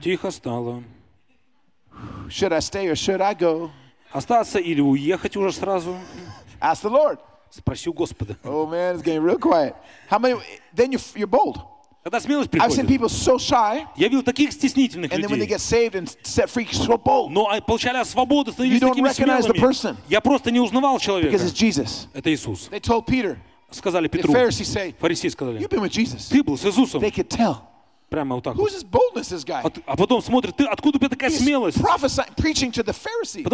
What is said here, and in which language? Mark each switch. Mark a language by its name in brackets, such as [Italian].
[Russian] Тихо стало. [English] Should I stay or should I go? [Russian] Остаться или уехать уже сразу? [English] Ask the Lord. [Russian] Спроси у Господа. [English] Oh man, it's getting real quiet. How many? Then you're bold. [Russian] Когда смелость приходит. [English] I've seen people so shy. [Russian] Я видел таких стеснительных людей. [English] And then when they get saved and set free, so bold. [Russian] Но получали свободу, становились такими смелыми. [English] You don't recognize the person. [Russian] Я просто не узнавал человека. [English] Because it's Jesus. [Russian] Это Иисус. [English] They told Peter. [Russian] Сказали Петру. Фарисеи сказали. [English] You've been with Jesus. [Russian] Ты был с Иисусом. [English] They could tell. [Russian] Прямо вот так. [English] Who's this boldness, this guy? [Russian] А потом смотрит, ты откуда у тебя такая смелость? [English] Prophesying, preaching to the Pharisees.